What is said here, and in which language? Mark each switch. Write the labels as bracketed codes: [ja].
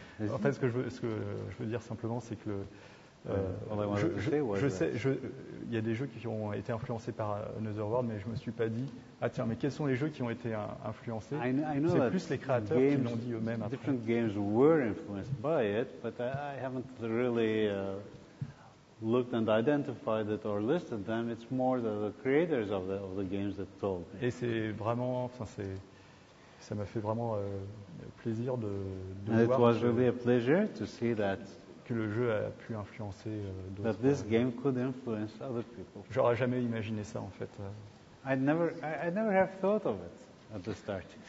[fr] En fait, ce que je veux dire simplement, c'est que il y a des jeux qui ont été influencés par Another World, mais je me suis pas dit ah tiens, mais quels sont les jeux qui ont été influencés? C'est plus les créateurs [en] games, [fr] qui l'ont dit eux-mêmes. [en] Different games were influenced by it, but I haven't really looked and identified it or listed them. It's more the creators of the games that told me. [fr] Et c'est vraiment, enfin c'est, ça m'a fait vraiment plaisir de [en] and [fr] voir. [en] It was really a pleasure to see that. [fr] Que le jeu a pu influencer d'autres. [en] That this game could influence other people. [fr] J'aurais jamais imaginé ça en fait. [en] I never have thought of it at the start.